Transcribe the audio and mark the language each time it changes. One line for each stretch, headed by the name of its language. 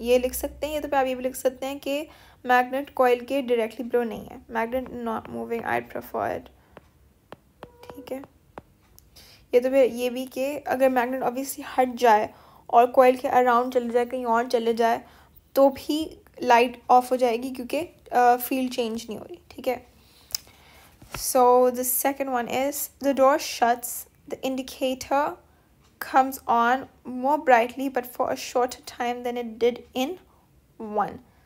Hindi: ये लिख सकते हैं, ये तो आप ये भी लिख सकते हैं कि magnet coil के
English: directly below
Hindi: नहीं है.
English: Magnet not moving, I'd prefer it.
Hindi: ठीक है, ये तो फिर ये भी कि अगर magnet obviously हट जाए और coil के around चले जाए, कहीं और चले जाए, तो भी लाइट ऑफ हो जाएगी क्योंकि फील्ड चेंज नहीं हो रही. ठीक है,
English: So the second one is the door shuts the indicator comes on more brightly but for a short time then it did in one.